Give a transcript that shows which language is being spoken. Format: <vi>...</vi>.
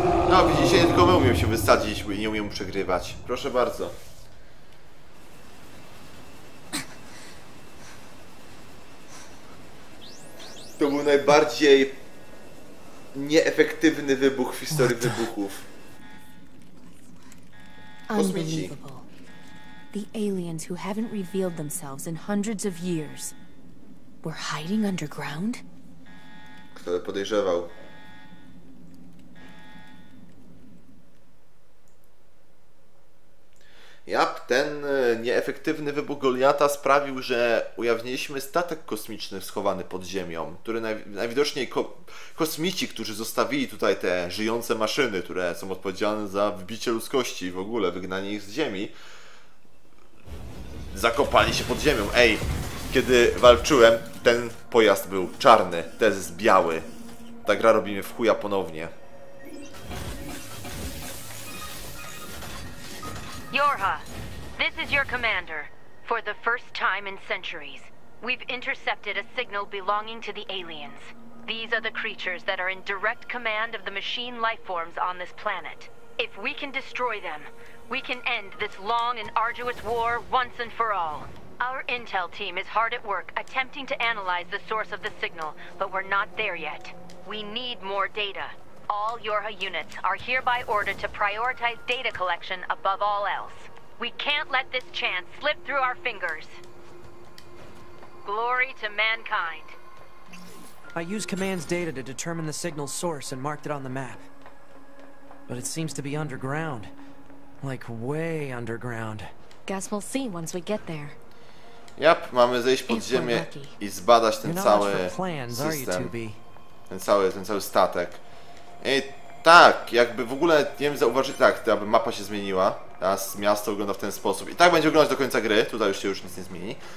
<pl>No widzicie, tylko my umiem się wysadzić i nie umiem przegrywać. Proszę bardzo. To był najbardziej nieefektywny wybuch w historii wybuchów.</pl> <en>Unbelievable. The aliens who haven't revealed themselves in hundreds of years were hiding underground?</en> <pl>Kto by podejrzewał? Jak ten nieefektywny wybuch Goliata sprawił, że ujawniliśmy statek kosmiczny schowany pod ziemią, który najwidoczniej kosmici, którzy zostawili tutaj te żyjące maszyny, które są odpowiedzialne za wybicie ludzkości i w ogóle wygnanie ich z ziemi, zakopali się pod ziemią. Ej, kiedy walczyłem, ten pojazd był czarny, ten jest biały. Ta gra robi mnie w chuja ponownie.</pl> <en>Yorha, this is your commander. For the first time in centuries, we've intercepted a signal belonging to the aliens. These are the creatures that are in direct command of the machine life forms on this planet. If we can destroy them, we can end this long and arduous war once and for all. Our intel team is hard at work attempting to analyze the source of the signal, but we're not there yet. We need more data. All Yorha units are hereby ordered to prioritize data collection above all else. We can't let this chance slip through our fingers. Glory to mankind. I used Command's data to determine the signal's source and marked it on the map. But it seems to be underground. Like way underground. Guess we'll see once we get there.</en> <pl>Yep, mamy zejść pod ziemię i zbadać ten cały plans, system. Ten cały statek. I tak, jakby w ogóle nie wiem zauważyć, tak, aby mapa się zmieniła, teraz miasto wygląda w ten sposób i tak będzie wyglądać do końca gry, tutaj już się już nic nie zmieni.</pl>